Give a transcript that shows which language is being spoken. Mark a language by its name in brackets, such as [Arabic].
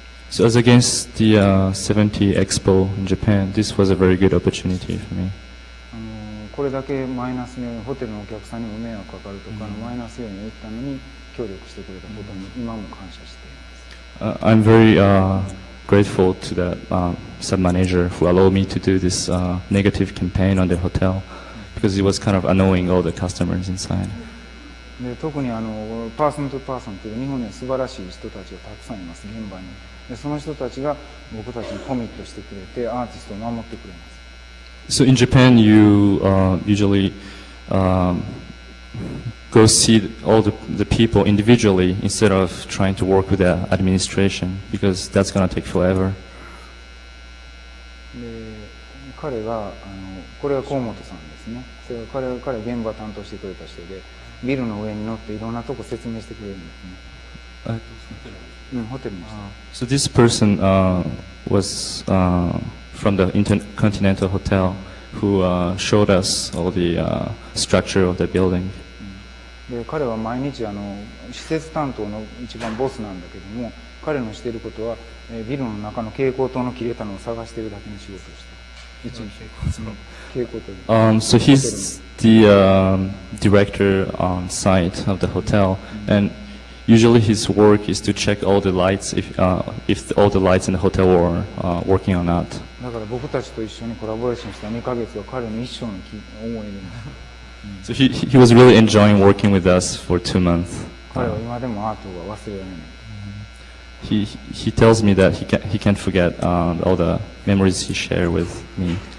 [English] So as against the 70 Expo in Japan, this was a very good opportunity for me. [Japanese] これだけマイナス要因、ホテルのお客さんにも迷惑かかるとかのマイナス要因を言ったのに協力してくれたことに今も感謝しています。 [English] I'm very grateful to the sub-manager who allowed me to do this negative campaign on the hotel because it was kind of annoying all the customers inside. [Japanese] で特にあのパーソンとパーソンという日本には素晴らしい人たちがたくさんいます、現場に。でその人たちが僕たちにコミットしてくれてアーティストを守ってくれます。 [English] So in Japan, you usually go see all the people individually instead of trying to work with the administration because that's going to take forever. [Japanese] で、彼が、あの、これは河本さんですね。それは彼は現場担当してくれた人で、ビルの上に乗っていろんなとこ説明してくれるんですね。ホテルの人。 [English] So this person was from the Intercontinental Hotel. Who showed us all the structure of the building. [Japanese] で、彼は毎日あの施設担当の一番ボスなんだけども、彼のしていることはビルの中の蛍光灯の切れたのを探しているだけの仕事をしている。蛍光灯。 [English] So he's the director on site of the hotel, and usually his work is to check all the lights if all the lights in the hotel are working or not. [Japanese] だから僕たちと一緒にコラボレーションした2ヶ月は彼の一生の思い出です。 [English] So he was really enjoying working with us for 2 months. [Japanese] 彼は今でもアートが忘れられない。 [English] He tells me that he can't forget all the memories he shared with me.